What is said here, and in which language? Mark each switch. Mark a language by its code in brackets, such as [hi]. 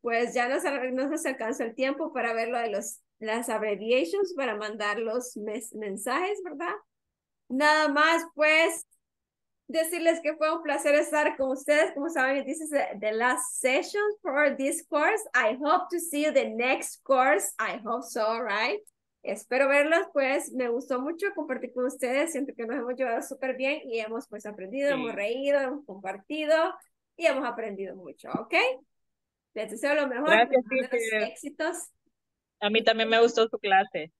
[es] Pues ya nos alcanzó el tiempo para ver lo de las abbreviations, para mandar los mensajes, ¿verdad? Nada más, pues, decirles que fue un placer estar con ustedes. Como saben, [en] this is the last session for this course. I hope to see you the next course. I hope so, right? [es] Espero verlos, pues, me gustó mucho compartir con ustedes. Siento que nos hemos llevado súper bien y hemos, pues, aprendido, sí. Hemos reído, hemos compartido y hemos aprendido mucho, ¿ok? Les deseo lo mejor. Gracias, los éxitos. A mí también me gustó su clase.